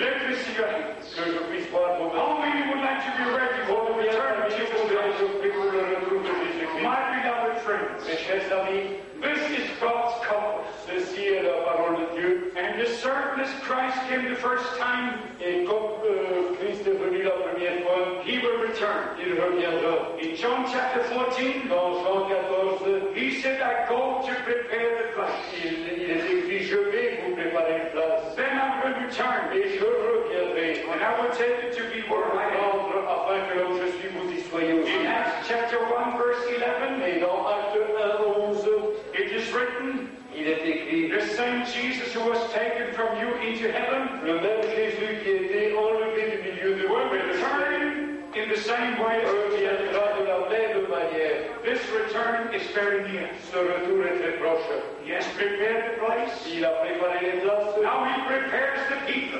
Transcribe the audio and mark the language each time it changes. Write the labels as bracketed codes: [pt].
[en] Let me see your hands. [fr] Que je puisse voir vos mains. [en] How many would like to be ready for the return of Jesus Christ? [fr] Pour le retour de Jésus Christ. [en] My beloved friends. [fr] Mes chers amis. [en] This is God's comfort. [fr] Ceci est la parole de Dieu. [en] And as certain as Christ came the first time, [fr] et comme Christ est venu la première fois, [en] he will return. [fr] Il reviendra. [en] In John chapter 14, [fr] dans Jean 14, [en] he said, I go to prepare the place. [fr] Il est écrit, je vais vous préparer une place. [en] Then I will return. [fr] Et je reviendrai. [en] And I will take it to be where I am. [fr] Afin que là où je suis, vous y soyez aussi. [en] In Acts chapter 1, verse 11, [fr] et dans Acte 1, 11, [en] it is written, [fr] il est écrit, [en] the same Jesus who was taken from you into heaven, [fr] le même Jésus qui était enlevé du milieu de vous, [en] will return in the same way. [fr] Reviendra de la même manière. [en] This return is very near. [fr] Ce retour est très proche. [en] He has prepared the place. [fr] Il a préparé les places. [en] Now he prepares the people.